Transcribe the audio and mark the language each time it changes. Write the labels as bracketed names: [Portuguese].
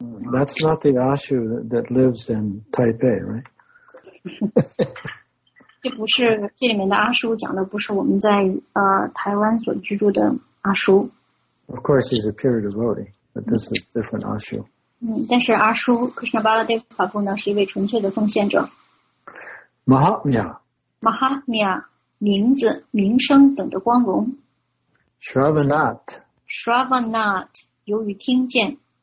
[English] that's not the ashu that lives in Taipei right [Chinese] 这不是这里面的阿叔讲的不是我们在台湾所居住的阿叔 [English] Of course he's a pure devotee but this is different 阿叔 [Chinese] 但是阿叔 Krishna Baladevapu 呢是一位纯粹的奉献者 [Sanskrit] Mahatmya [Chinese] Mahatmya 名字名声等着光荣 [Sanskrit] Shravanat [Chinese] Shravanat 由于听见